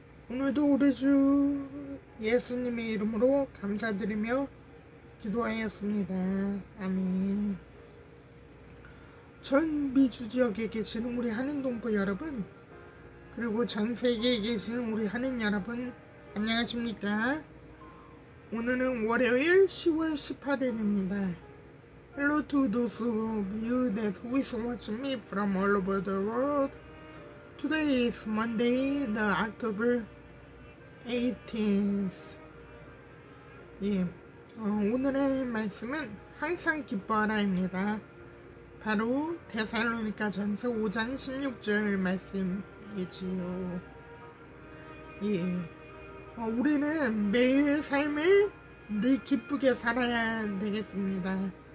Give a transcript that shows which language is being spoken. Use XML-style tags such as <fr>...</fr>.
<ko>오늘도 우리 주 예수님의 이름으로 감사드리며 기도하였습니다. 아멘. 전 미주 지역에 계시는 우리 한인동포 여러분, 그리고 전 세계에 계신 우리 하늘 여러분, 안녕하십니까? 오늘은 월요일 10월 18일입니다.</ko> <en>Hello to those of you that wish to watch me from all over the world. Today is Monday, the October 18th.</en> <ko>오늘의 말씀은 항상 기뻐하라입니다. 바로 데살로니가전서 5장 16절 말씀. 이지요. 우리는 매일 삶을 늘 기쁘게 살아야 되겠습니다.</ko>